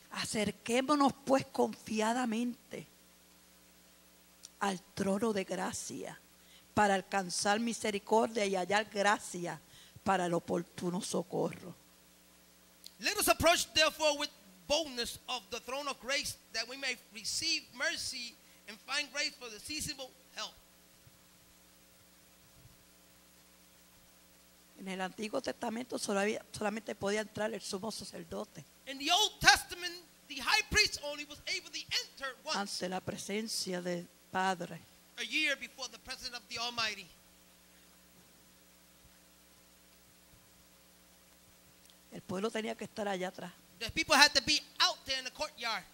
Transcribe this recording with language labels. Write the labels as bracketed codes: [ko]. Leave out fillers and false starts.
[es] Acerquémonos pues confiadamente al trono de gracia para alcanzar misericordia y hallar gracia para el oportuno socorro. [en] Let us approach therefore with boldness of the throne of grace that we may receive mercy and find grace for the seasonable help. [es] En el Antiguo Testamento solamente podía entrar el sumo sacerdote. [en] In the Old Testament, the high priest only was able to enter once. [es] Ante la presencia del Padre. [en] A year before the presence of the Almighty. [es] El pueblo tenía que estar allá atrás. [en] The people had to be out there in the courtyard.